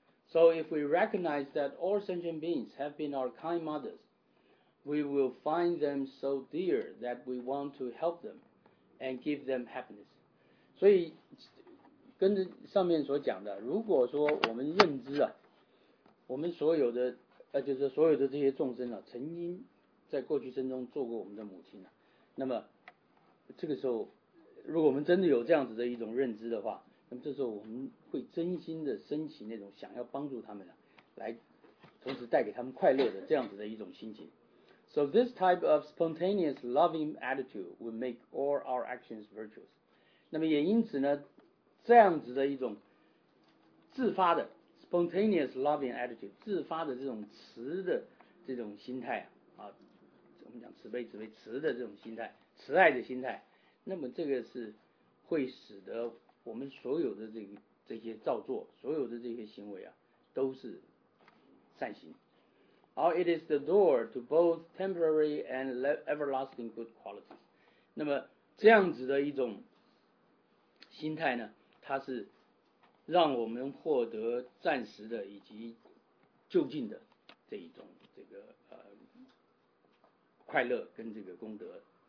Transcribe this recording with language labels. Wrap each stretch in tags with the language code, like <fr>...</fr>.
<en>So if we recognize that all sentient beings have been our kind mothers, we will find them so dear that we want to help them and give them happiness.</en> <zh>所以跟着上面所讲的，如果说我们认知啊，我们所有的就是所有的这些众生啊，曾经在过去生中做过我们的母亲啊，那么这个时候如果我们真的有这样子的一种认知的话，那么这时候我们会真心的升起那种想要帮助他们、啊、来同时带给他们快乐的这样子的一种心情。</zh> <en>So this type of spontaneous loving attitude will make all our actions virtuous.</en> <zh>那么也因此呢，这样子的一种自发的</zh> <en>spontaneous loving attitude，</en> <zh>自发的这种慈的这种心态啊，我们讲慈悲慈的这种心态，慈爱的心态，那么这个是会使得我们所有的这些造作，所有的这些行为啊，都是善行。好，</zh> <en>it is the door to both temporary and everlasting good qualities.</en> <zh>那么这样子的一种心态呢，它是让我们获得暂时的以及就近的这一种这个快乐跟这个功德。</zh>